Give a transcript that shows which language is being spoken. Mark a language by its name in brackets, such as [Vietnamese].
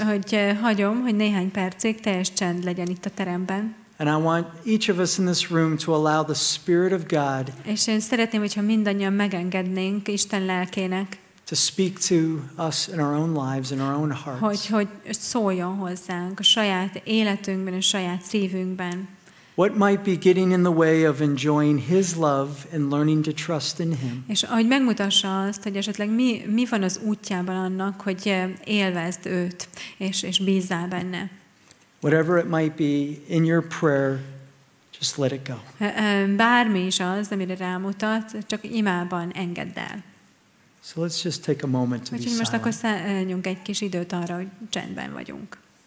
[Hungarian] Hogy hagyom, hogy néhány percig teljes csend legyen itt a teremben. [English] And I want each of us in this room to allow the Spirit of God. [Hungarian] És én szeretném, hogyha mindannyian megengednénk Isten lelkének. [English] To speak to us in our own lives, in our own hearts. [Hungarian] Hogy szóljon hozzánk a saját életünkben, a saját szívünkben. [English] What might be getting in the way of enjoying His love and learning to trust in Him? [Hungarian] És ahogy megmutassa azt, hogy esetleg mi van az útjában annak, hogy élvezd őt és bízzál benne. [English] Whatever it might be in your prayer, just let it go. [Hungarian] Bármi is az, amire rámutat, csak imában engedd el. [English] So let's just take a moment to be silent. [Hungarian] Most akkor szálljunk egy kis időt arra, hogy csendben vagyunk.